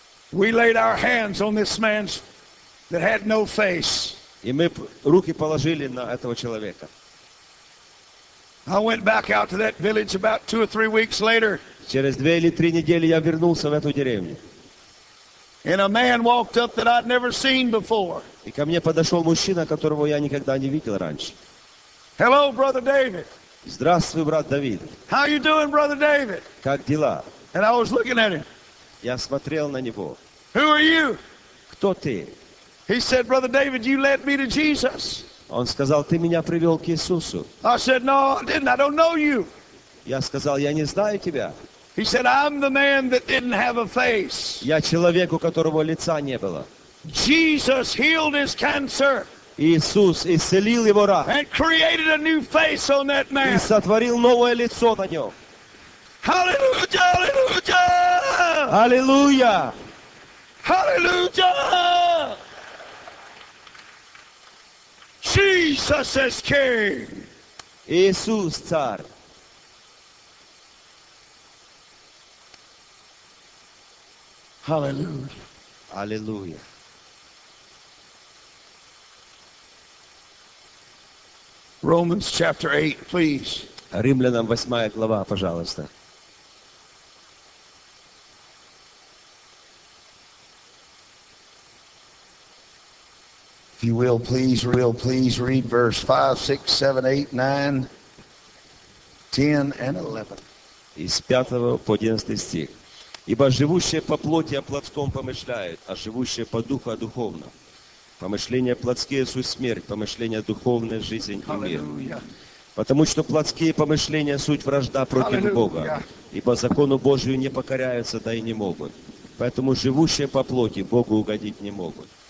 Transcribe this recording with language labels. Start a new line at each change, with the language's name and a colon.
English: We laid our hands on this man that had no face.
Russian: И мы руки положили на этого человека.
English: I went back out to that village about 2 or 3 weeks later.
Russian: Через 2 или 3 недели я вернулся в эту деревню.
English: And a man walked up that I'd never seen before.
Russian: И ко мне подошел мужчина, которого я никогда не видел раньше.
English: Hello, brother David.
Russian: Здравствуй, брат Давид.
English: How you doing, brother David?
Russian: Как дела?
English: And I was looking at him.
Russian: Я смотрел на него.
English: Who are you?
Russian: Кто ты?
English: He said, brother David, you led me to Jesus.
Russian: Он сказал, ты меня привел к Иисусу.
English: I said, no, I didn't. I don't know you.
Russian: Я сказал, я не знаю тебя.
English: He said, I'm the man that didn't have a face.
Russian: Я человек, у которого лица не было.
English: Jesus healed his cancer.
Russian: Иисус исцелил его рак.
English: And created a new face on that man.
Russian: И сотворил новое лицо на нем.
English: Hallelujah! Hallelujah! Hallelujah! Hallelujah! Jesus is King.
Russian: Иисус царь.
English: Hallelujah. Hallelujah. Romans chapter 8, please.
Russian: Римлянам 8 глава, пожалуйста.
English: If you will, please, real, please read verse 5, 6, 7, 8, 9, 10, and 11.
Russian: Из 5 по 11 стих. Ибо живущие по плоти о плотском помышляют, а живущие по духу о духовном. Помышления плотские – суть смерть, помышления духовные – жизнь и мир. Потому что плотские помышления – суть вражда против Бога. Ибо закону Божию не покоряются, да и не могут. Поэтому живущие по плоти Богу угодить не могут.